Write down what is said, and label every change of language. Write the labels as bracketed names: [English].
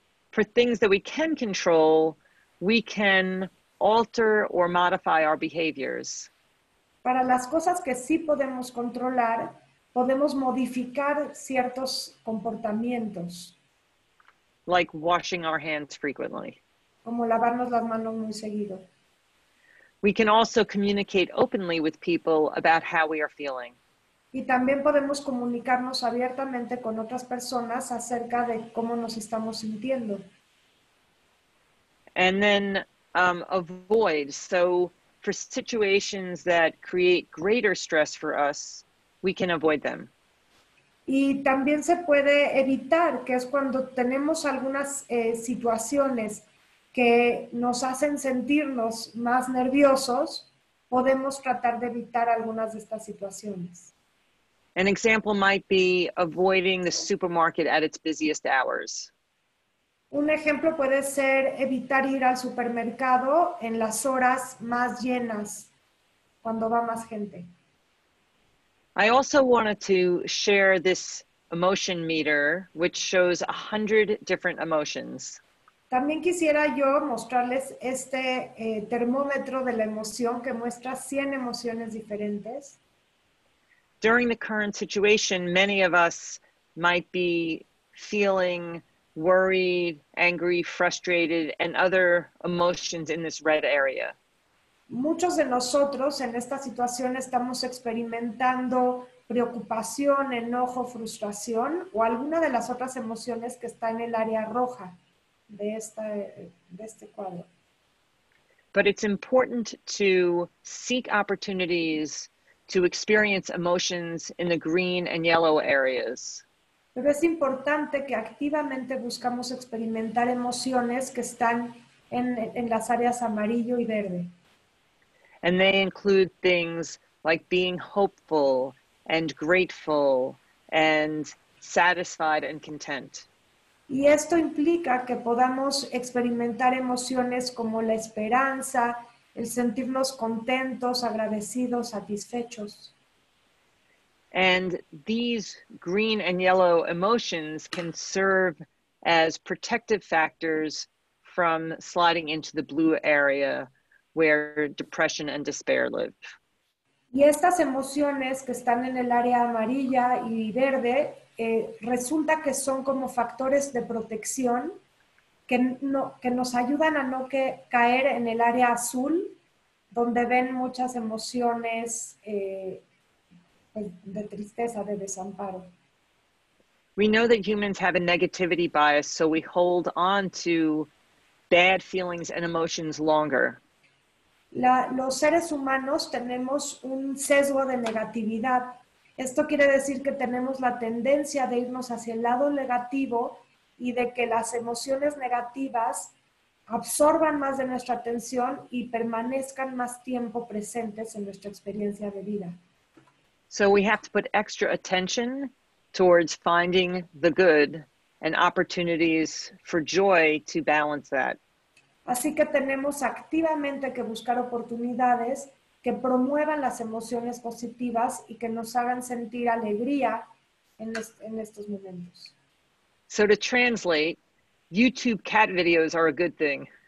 [English] For things that we can control, we can alter or modify our behaviors. [Spanish] Para las cosas que sí podemos controlar, podemos modificar ciertos comportamientos. [English] Like washing our hands frequently. [Spanish] Como lavarnos las manos muy seguido. [English] We can also communicate openly with people about how we are feeling. [Spanish] Y también podemos comunicarnos abiertamente con otras personas acerca de cómo nos estamos sintiendo. [English] And then avoid. So for situations that create greater stress for us, we can avoid them. [Spanish] Y también se puede evitar, que es cuando tenemos algunas situaciones que nos hacen sentirnos más nerviosos, podemos tratar de evitar algunas de estas situaciones. [English] An example might be avoiding the supermarket at its busiest hours. [Spanish] Un ejemplo puede ser evitar ir al supermercado en las horas más llenas, cuando va más gente. [English] I also wanted to share this emotion meter, which shows 100 different emotions. [Spanish] También quisiera yo mostrarles este termómetro de la emoción que muestra 100 emociones diferentes. [English] During the current situation, many of us might be feeling worried, angry, frustrated, and other emotions in this red area. [Spanish] Muchos de nosotros en esta situación estamos experimentando preocupación, enojo, frustración o alguna de las otras emociones que está en el área roja de este cuadro. [English] But it's important to seek opportunities to experience emotions in the green and yellow areas. [Spanish] Pero es importante que activamente buscamos experimentar emociones que están en las áreas amarillo y verde. [English] And they include things like being hopeful and grateful and satisfied and content. [Spanish] Y esto implica que podamos experimentar emociones como la esperanza, el sentirnos contentos, agradecidos, satisfechos. [English] And these green and yellow emotions can serve as protective factors from sliding into the blue area where depression and despair live. [Spanish] Y estas emociones que están en el área amarilla y verde, resulta que son como factores de protección que nos ayudan a no caer en el área azul, donde ven muchas emociones de tristeza, de desamparo. [English] We know that humans have a negativity bias, so we hold on to bad feelings and emotions longer. [Spanish] Los seres humanos tenemos un sesgo de negatividad. Esto quiere decir que tenemos la tendencia de irnos hacia el lado negativo y de que las emociones negativas absorban más de nuestra atención y permanezcan más tiempo presentes en nuestra experiencia de vida. [English] So we have to put extra attention towards finding the good and opportunities for joy to balance that. [Spanish] Así que tenemos activamente que buscar oportunidades que promuevan las emociones positivas y que nos hagan sentir alegría en estos momentos. [English] So to translate, YouTube cat videos are a good thing.